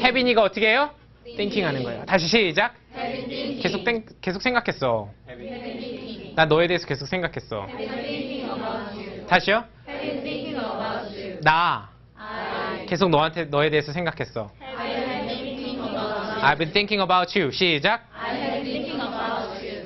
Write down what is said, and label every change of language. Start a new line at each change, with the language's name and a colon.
Korean: Have been 이거 어떻게 해요? Thinking 하는 거예요. 다시 시작.
English: Have been thinking.
Korean: 계속 생각했어.
English: Have been thinking.
Korean: 나 너에 대해서 계속 생각했어.
English: Have been thinking about you. 다시요. Have been thinking about you.
Korean: 나 계속 너한테 너에 대해서 생각했어.
English: I've been thinking about you. I've been thinking about you.
Korean: 시작.
English: I have been thinking about you.